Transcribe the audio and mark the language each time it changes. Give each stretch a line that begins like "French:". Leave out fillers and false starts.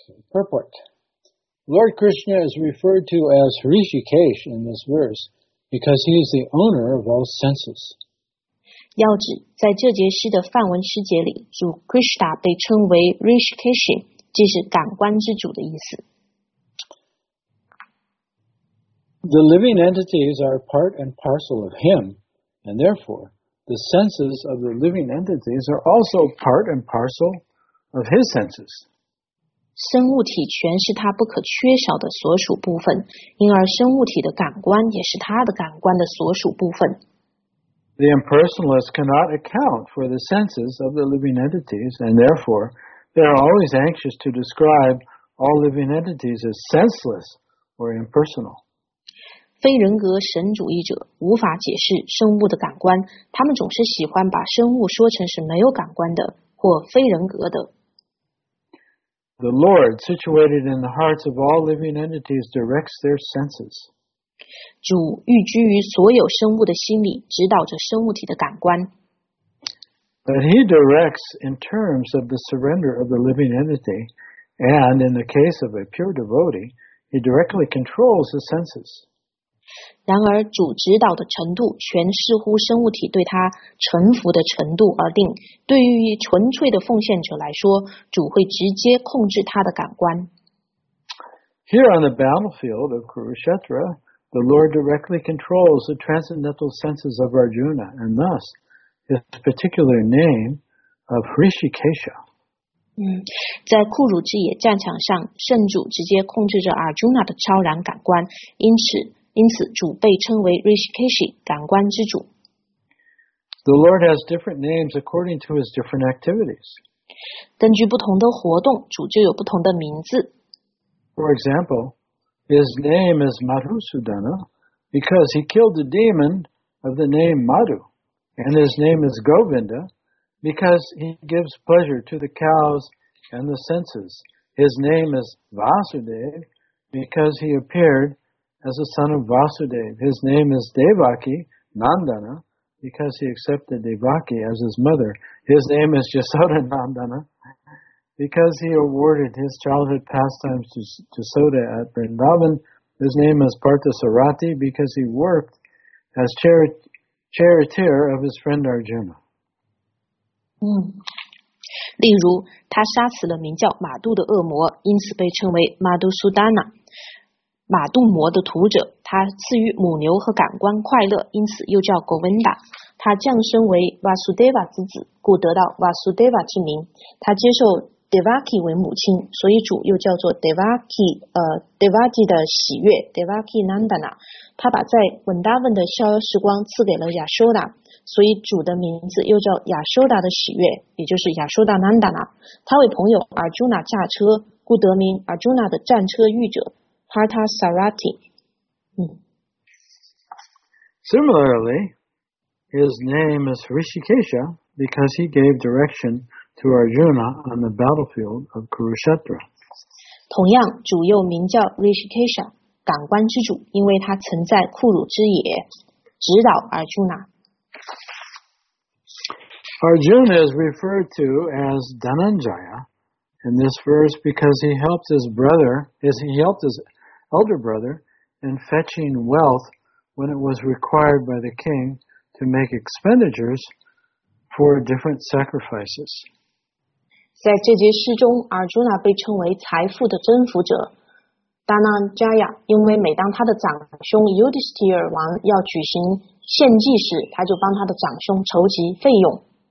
English: Purport. Lord Krishna is referred to as Hrishikesh in this verse because he is the owner of all senses.
Chinese: 要旨，在这节诗的梵文诗节里，主 Krishna 被称为 Hrishikesh， 即是感官之主的意思。
English: The living entities are part and parcel of him, and therefore, the senses of the living entities are also part and parcel of his senses.
Chinese: 生物体全是他不可缺少的所属部分，因而生物体的感官也是他的感官的所属部分。
English: The impersonalist cannot account for the senses of the living entities, and therefore, they are always anxious to describe all living entities as senseless or impersonal.
Chinese: 非人格神主义者无法解释生物的感官，他们总是喜欢把生物说成是没有感官的或非人格的。
English: The Lord, situated in the hearts of all living entities, directs their senses.
Chinese: 主寓居于所有生物的心里，指导着生物体的感官。
English: But he directs in terms of the surrender of the living entity, and in the case of a pure devotee, he directly controls the senses.
Chinese: 然而主指导的程度全视乎生物体对他臣服的程度而定，对于纯粹的奉献者来说，主会直接控制他的感官。
English: Here on the battlefield of Kurukshetra, the Lord directly controls the transcendental senses of Arjuna, and thus his particular name of Hrishikesha.
Chinese: 在库鲁之野战场上，圣主直接控制着 Arjuna 的超然感官，因此因此主被称为 Rishikeshi, 感官之主。
English: The Lord has different names according to his different activities.
Chinese: 根据不同的活动，主就有不同的名字。
English: For example, his name is Madhusudana because he killed the demon of the name Madhu, and his name is Govinda because he gives pleasure to the cows and the senses. His name is Vasudeva because he appeared as the son of Vasudeva. His name is Devaki Nandana. Because he accepted Devaki as his mother. His name is Yasoda Nandana. Because he awarded his childhood pastimes to Soda at Vrindavan. His name is Partha Sarathi. Because he worked as charioteer of his friend Arjuna.、
Chinese: 嗯、例如他杀死了名叫马杜的恶魔，因此被称为 Madhusudana。马杜魔的徒者，他赐予母牛和感官快乐，因此又叫 Govinda。他降生为 Vasudeva 之子，故得到 Vasudeva 之名。他接受 Devaki 为母亲，所以主又叫做 Devaki， Devaki 的喜悦 Devaki Nandana。他把在 Vrindavan 的逍遥时光赐给了 Yashoda， 所以主的名字又叫 Yashoda 的喜悦，也就是 Yashoda Nandana。他为朋友 Arjuna 驾车，故得名 Arjuna 的战车御者。
Sanskrit: Partha Sarathi.、
English: Similarly, his name is Rishikesha because he gave direction to Arjuna on the battlefield of Kurukshetra.
Chinese: 同样，主又名叫 Rishikesha, 感官之主，因为他曾在库鲁之野指导 Arjuna.
English: Arjuna is referred to as Dhananjaya in this verse because he helped his brother, as he helped his elder brother in fetching wealth when it was required by the king to make expenditures for different sacrifices.
Chinese: 在这节诗中， Arjuna 被称为财富的征服者 Dhananjaya， 因为每当他的长兄 Yudhisthira 王要举行献祭时，他就帮他的长兄筹集费用。